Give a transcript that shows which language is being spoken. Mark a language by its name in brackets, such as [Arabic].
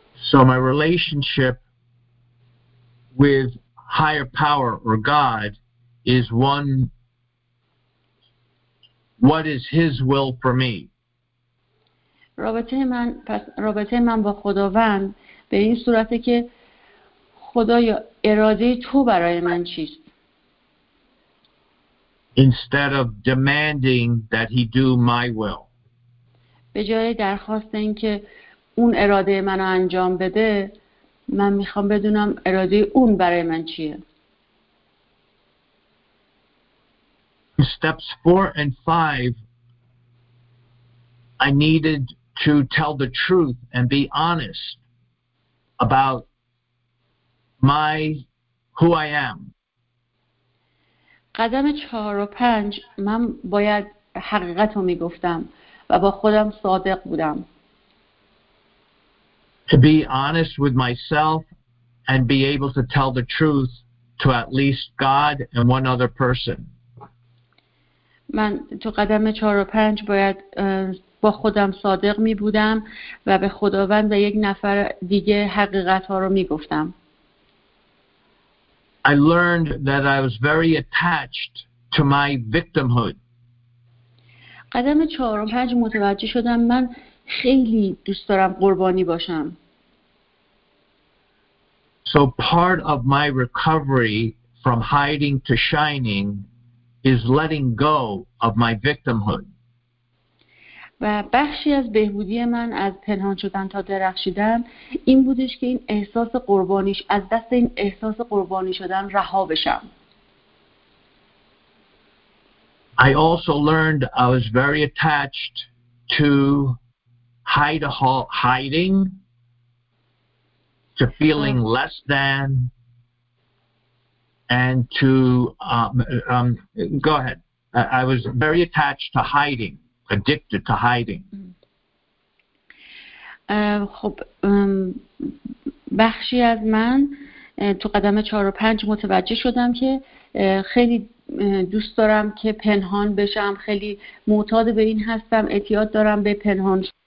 [English] So my relationship with higher power or God is one, what is His will for me? [Persian] رابطه من با خداوند به این صورته که خدای اراده تو برای من چیست؟ [English] Instead of demanding that He do my will. [Persian] به جای درخواست این که اون اراده منو انجام بده، من میخوام بدونم اراده اون برای من چیه. [English] Steps 4 and 5 I needed to tell the truth and be honest about my who I am. [Persian] قدم 4 و 5 من باید حقیقت رو میگفتم و با خودم صادق بودم. [English] To be honest with myself and be able to tell the truth to at least God and one other person. [Persian] من تو قدم 4 و 5 باید با خودم صادق می بودم و به خداوند و یک نفر دیگه حقیقت ها رو می گفتم. [English] I learned that I was very attached to my victimhood. [Persian] قدم 4 و 5 متوجه شدم من خیلی دوست دارم قربانی باشم. [English] So part of my recovery from hiding to shining is letting go of my victimhood. [Persian] و بخشی از بهبودی من از پنهان شدن تا درخشیدن این بودش که این احساس قربانیش از دست این احساس قربانی شدن رها بشم. [English] I also learned I was very attached to hiding, to feeling less than, and to go ahead. I was very attached to hiding, addicted to hiding. [Persian] خب بخشی از من تو قدم 4 و 5 متوجه شدم که خیلی دوست دارم که پنهان بشم، خیلی معتاد به این هستم، اعتیاد دارم به پنهان.